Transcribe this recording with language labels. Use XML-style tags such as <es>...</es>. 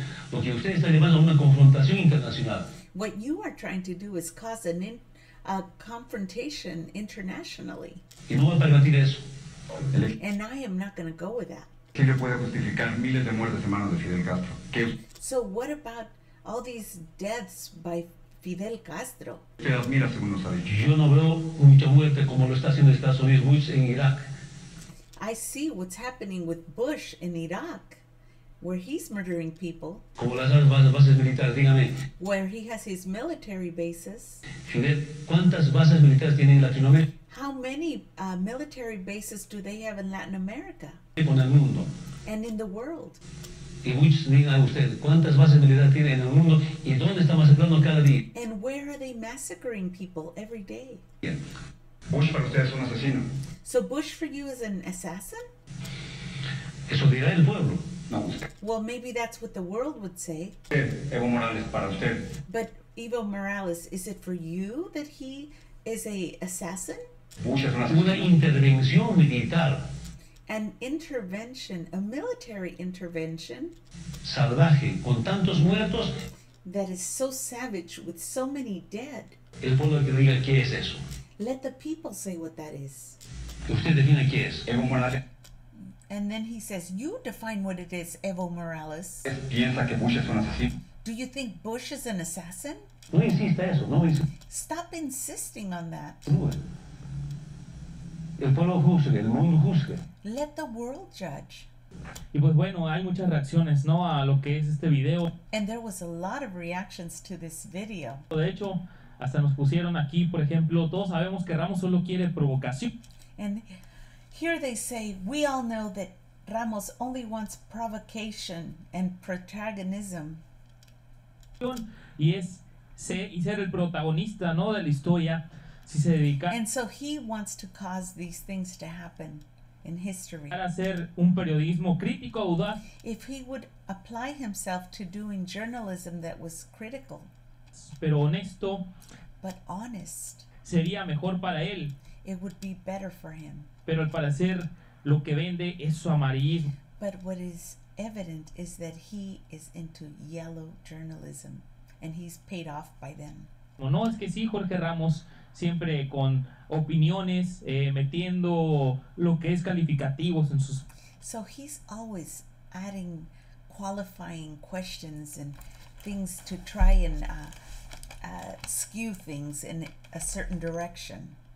<es>Porque usted está llevando a una confrontación internacional.</es> <en>What you are trying to do is cause a confrontation internationally.</en> <es>Y no va a permitir eso.</es> <en>And I am not going to go with that.</en> <es>¿Qué le puede justificar miles de muertes en manos de Fidel Castro? ¿Qué?</es> <en>So what about all these deaths by Fidel Castro?</en> <es>Se admira, según nos ha dicho. Yo no veo mucha muerte como lo está haciendo Estados Unidos, Bush en Irak.</es> <en>I see what's happening with Bush in Iraq, where he's murdering people.</en> <es>Como las bases militares, dígame.</es> <en>Where he has his military bases.</en> <es>Fidel, ¿cuántas bases militares tiene en Latinoamérica?</es> <en>How many military bases do they have in Latin America?</en> <es>En el mundo.</es> <en>And in the world.</en> <es>Y muchos digan a usted, ¿cuántas bases militares tiene en el mundo y dónde está masacrando cada día?</es> <en>And where are they massacring people every day?</en> <es>Bush para usted es un asesino.</es> <en>So Bush for you is an assassin?</en> <es>Eso dirá el pueblo. No.</es> <en>Well, maybe that's what the world would say.</en> <es>Evo Morales, para usted.</es> <en>But Evo Morales, is it for you that he is a assassin?</en> <es>Muchas gracias. Una intervención militar.</es> <en>An intervention, a military intervention.</en> <es>Salvaje, con tantos muertos.</es> <en>That is so savage with so many dead.</en> <es>El pueblo que diga qué es eso.</es> <en>Let the people say what that is.</en> <es>Usted define qué es. Evo Morales.</es> <en>And then he says, you define what it is, Evo Morales.</en> <es>¿Piensa que Bush es un asesino?</es> <en>Do you think Bush is an assassin?</en> <es>No insista eso, no insista.</es> <en>Stop insisting on that.</en> <es>El pueblo juzgue, el mundo juzgue.</es> <en>Let the world judge.</en> <es>Y pues bueno, hay muchas reacciones, ¿no?, a lo que es este video.</es> <en>And there was a lot of reactions to this video.</en> <es>De hecho, hasta nos pusieron aquí, por ejemplo, todos sabemos que Ramos solo quiere provocación.</es> <en>And here they say, we all know that Ramos only wants provocation and protagonism.</en> <es>Y es ser el protagonista, ¿no?, de la historia, si se dedica.</es> <en>And so he wants to cause these things to happen in history.</en> <es>Para hacer un periodismo crítico audaz.</es> <en>If he would apply himself to doing journalism that was critical.</en> <es>Pero honesto.</es> <en>But honest.</en> <es>Sería mejor para él.</es> <en>It would be better for him.</en> <es>Pero al parecer lo que vende es su amarillismo.</es> <en>But what is evident is that he is into yellow journalism and he's paid off by them.</en> <es>No, no, es que sí, Jorge Ramos siempre con opiniones, metiendo lo que es calificativos en sus.</es> <en>So he's always adding qualifying questions and things to try and skew things in a certain direction.</en>